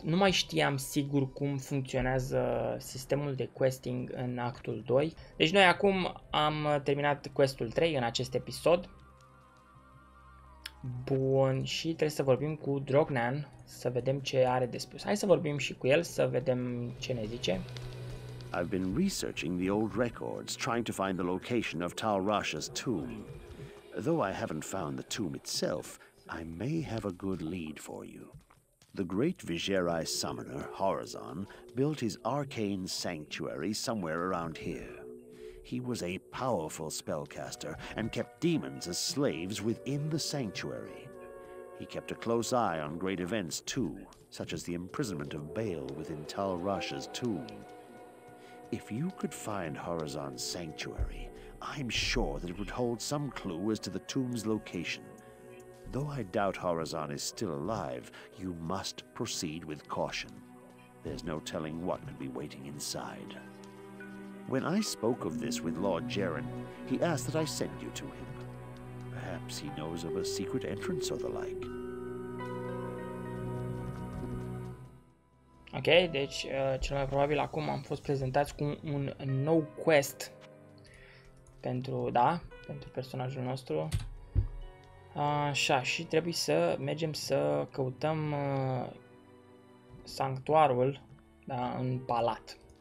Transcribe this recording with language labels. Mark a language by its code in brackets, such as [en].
[ro] Nu mai știam sigur cum funcționează sistemul de questing în actul 2. Deci noi acum am terminat questul 3 în acest episod. Bun, și trebuie să vorbim cu Drognan, să vedem ce are de spus. Hai să vorbim și cu el, să vedem ce ne zice. [en] I've been researching the old records, trying to find the location of Tal'Rasha's tomb. Though I haven't found the tomb itself, I may have a good lead for you. The great Vigerai summoner, Horizon, built his arcane sanctuary somewhere around here. He was a powerful spellcaster and kept demons as slaves within the sanctuary. He kept a close eye on great events too, such as the imprisonment of Bale within Tal'Rasha's tomb. If you could find Horizon's sanctuary, I'm sure that it would hold some clue as to the tomb's location. Though I doubt Horizon is still alive, you must proceed with caution. There's no telling what could be waiting inside. When I spoke of this with Lord Jaren, he asked that I send you to him. Perhaps he knows of a secret entrance or the like. [ro] Ok, deci cel mai probabil acum am fost prezentați cu un nou quest pentru, da, pentru personajul nostru. Așa, și trebuie să mergem să căutăm sanctuarul, da, în palat.